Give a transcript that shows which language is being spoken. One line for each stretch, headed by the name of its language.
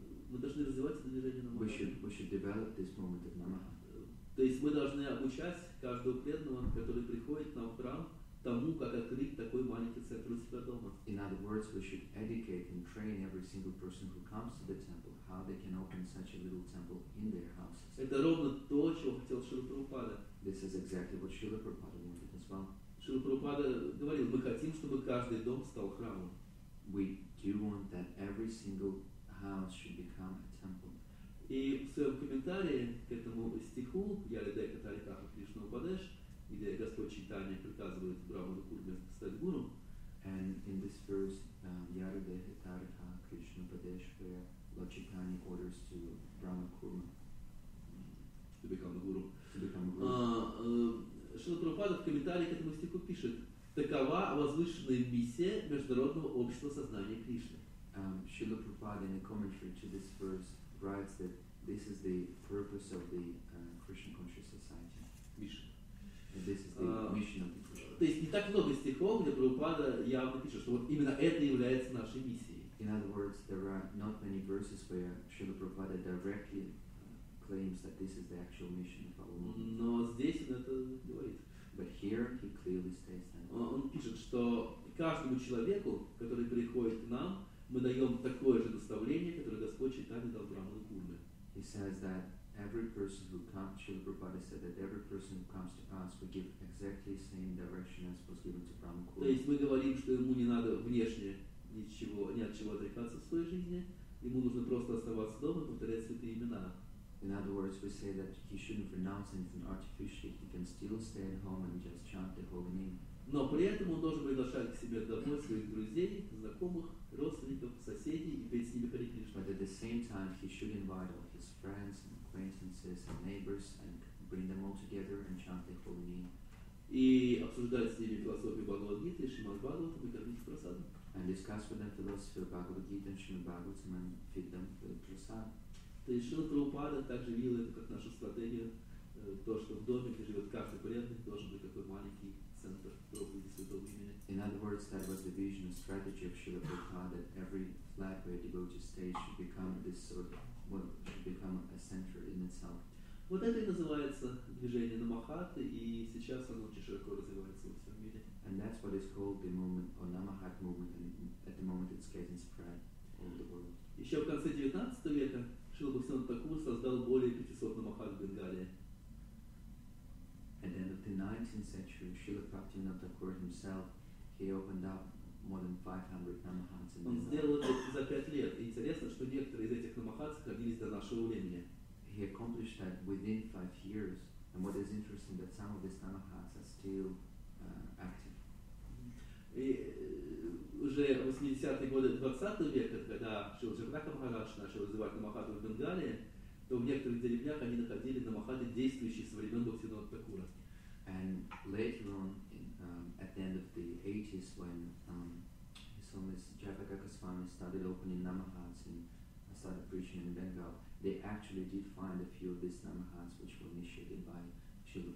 Russian: мы должны развивать это движение Намаха.
English: We should develop this moment of Намаха.
Russian: То есть мы должны обучать каждого преданного, который приходит нам в храм, тому, как открыть такой маленький центр у себя дома.
English: In other words, we should educate and train every single person who comes to the temple how they can open such a little temple in their houses.
Russian: Это ровно то, чего хотел Шрила Прабхупада.
English: This is exactly what Шрила Прабхупада wanted as well.
Russian: Шрила Прабхупада говорил, мы хотим, чтобы каждый дом стал храмом.
English: We do want that every single house should become a temple.
Russian: И в своем комментарии к этому стиху Ялидай Каталитаха Кришна Упадеш, где Господь Чайтанья приказывает Брахману Курме стать гуру.
English: And in this verse, Ярида Хитарха Кришна Падеш, where Lord Chaitanya orders to Брахма Курма to become a guru.
Russian: Шрила Прабхупада в комментарии к этому стиху пишет, такова возвышенная миссия Международного общества сознания Кришны.
English: Шрила Прабхупада in a commentary to this verse writes that this is the purpose of the Krishna Conscious Society.
Russian: То есть не так много стихов, где Прабхупада явно пишет, что вот именно это является нашей миссией.
English: In other words, there are not many verses where Srila Prabhupada directly claims that this is the actual mission of our movement.
Russian: Но здесь он это говорит.
English: But here he clearly states that.
Russian: Он пишет, что каждому человеку, который приходит к нам, мы даем такое же наставление, которое Господь Чайтанья дал Брахману Курме.
English: He says that every person who comes, Srila Prabhupada said that every person who comes to us will give exactly the same direction as was given to Brahma Kuru.
Russian: То есть мы говорим, что ему не надо внешне ничего, ни от чего отрекаться в своей жизни, ему нужно просто оставаться дома и повторять святые имена.
English: In other words, we say that he shouldn't renounce anything artificially, he can still stay at home and just chant the holy name.
Russian: Но при этом он должен приглашать к себе домой своих друзей, знакомых, родственников, соседей и петь с ними Hare Krishna.
English: But at the same time, he should invite all his friends and acquaintances and neighbors and bring them all together and chant the holy name.
Russian: И обсуждать с ними философию Бхагавад-гиты, Шримад Бхагаватам и кормить прасадом.
English: And discuss with them philosophy of Bhagavad-gita and Shrimad Bhagavatam and feed them with prasad.
Russian: То есть Шрила Прабхупада также видел это как нашу стратегию, то, что в доме, где живет каждый преданный, должен быть такой маленький центр проповеди святого имени.
English: In other words, that was the vision and strategy of Srila Prabhupada, that every flat where a devotee stays should become this sort of, well, should become a center in itself.
Russian: Вот это и называется движение Намахаты, и сейчас оно очень широко развивается во всем мире.
English: And that's what is called the movement, or Namahat movement, and at the moment it's getting spread all the world.
Russian: Еще в конце 19 века Шрила Бхактисиддханта Тхакур создал более 500 Намахат в Бенгалии.
English: At the end of the 19th century, Srila Bhaktivinoda Thakur himself, he opened up more than 500 Namahats in Bengal. He accomplished that within 5 years. And what is interesting that some of these tamahas are still active.
Russian: И уже в 80-е годы 20 века, когда Шрила Чакрата Махарадж начал развивать намахаду в Бенгале, то в некоторых деревнях они находили намахады, действующие со времен Бхактивинода Такура.
English: And later on, in, at the end of the 80s, when His Holiness Jayapaka Goswami started opening namahats and started preaching in Bengal, they actually did find a few of these namahats which were initiated by Srila